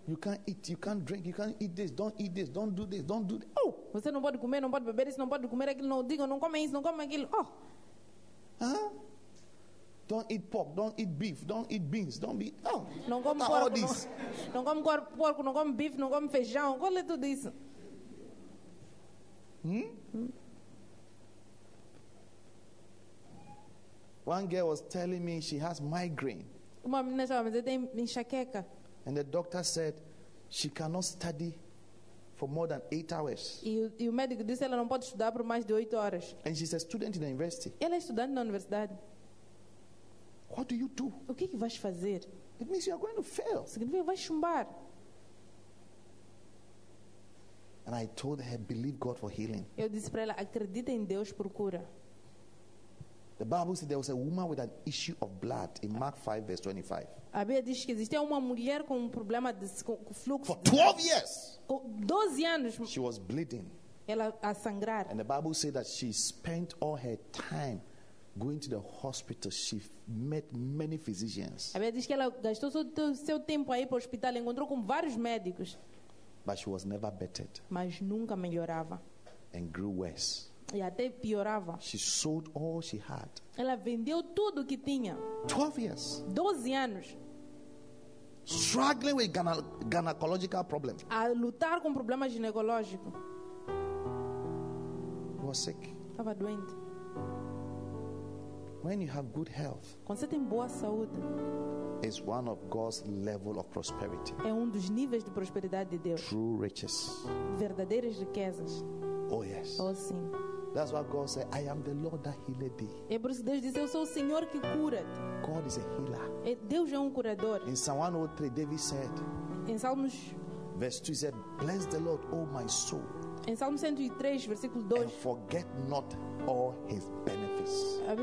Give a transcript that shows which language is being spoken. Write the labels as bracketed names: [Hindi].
[English] You can't eat, you can't drink, you can't eat this, don't eat this, don't do this, don't do this. Oh! [Portuguese] Você não pode comer, não pode beber isso, não pode comer aquilo, não diga, não come isso, não come aquilo. Oh! Huh? [English] Don't eat pork, don't eat beef, don't eat beans, don't be. Oh! [Portuguese] Não come [English] what [Portuguese] porco, [English] all this? [Portuguese] Não come porco, não come beef, não come feijão, qual é tudo isso? Hmm? [English] One girl was telling me she has migraine. [Portuguese] Uma menina estava me dizendo que tem enxaqueca. [English] And the doctor said she cannot study for more than 8 hours. [Portuguese] E o médico disse que ela não pode estudar por mais de 8 horas. [English] And she's a student in the university. [Portuguese] Ela é estudante na universidade. [English] What do you do? [Portuguese] O que vais fazer? [English] It means you are going to fail. [Portuguese] Significa que vais chumbar. [English] And I told her, believe God for healing. [Portuguese] Eu disse para ela, acredita em Deus por cura. [English] The Bible says there was a woman with an issue of blood in Mark 5, verse 25. [Portuguese] A Bíblia diz que existia uma mulher com um problema de fluxo. [English] For 12 years. [Portuguese] 12 anos. [English] She was bleeding. [Portuguese] Ela a sangrar. [English] And the Bible says that she spent all her time going to the hospital. She met many physicians. [Portuguese] A Bíblia diz que ela gastou todo o seu tempo aí para o hospital. Encontrou com vários médicos. [English] But she was never bettered. [Portuguese] Mas nunca melhorava. [English] And grew worse. [Portuguese] E até piorava. [English] She sold all she had. [Portuguese] Ela vendeu tudo que tinha. [English] 12 years. [Portuguese] 12 anos. [English] Struggling with gynecological problems. [Portuguese] A lutar com problemas ginecológicos. [English] Was sick. [Portuguese] Tava doente. [English] When you have good health. [Portuguese] Quando você tem boa saúde. [English] Is one of God's level of prosperity. [Portuguese] É dos níveis de prosperidade de Deus. [English] True riches. [Portuguese] Verdadeiras riquezas. [English] Oh yes. [Portuguese] Oh sim. [English] That's why God said, I am the Lord that healed thee. [Portuguese] É por isso que Deus diz, eu sou o Senhor que cura. [English] God is a healer. [Portuguese] É Deus é curador. [English] In Psalm 103, David said. [Portuguese] Em Salmos. [English] Verse 2 said, bless the Lord, O my soul. [Portuguese] Em Salmos 103, versículo 2. [English] And forget not all his benefits.